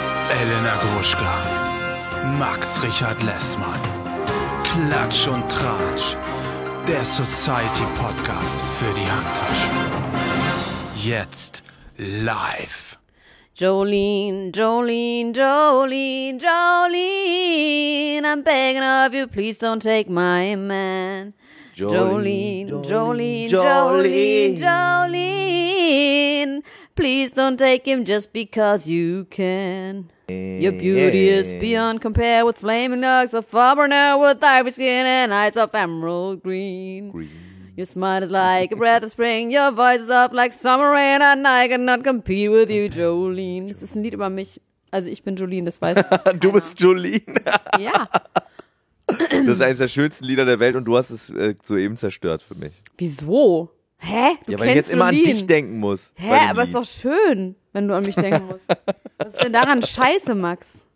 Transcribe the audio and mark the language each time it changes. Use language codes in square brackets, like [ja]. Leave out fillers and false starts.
[de] Werner Gruschka, Max Richard Lessmann, Klatsch und Tratsch, der Society Podcast für die Handtasche. Jetzt live. [en] Jolene, Jolene, Jolene, Jolene, I'm begging of you, please don't take my man. Jolene, Jolene, Jolene, Jolene, Jolene, please don't take him just because you can. Your beauty is beyond compare with flaming locks of auburn hair with ivory skin and eyes of emerald green. Your smile is like a breath of spring, your voice is up like summer rain and I cannot compete with you, Jolene. [de] Das ist ein Lied über mich. Also ich bin Jolene, das weiß keiner. Du bist Jolene? Ja. Das ist eines der schönsten Lieder der Welt und du hast es soeben zerstört für mich. Wieso? Hä? Du ja, weil ich jetzt immer Jolene an dich denken muss. Hä? Aber es ist doch schön, wenn du an mich denken musst. Was ist denn daran scheiße, Max?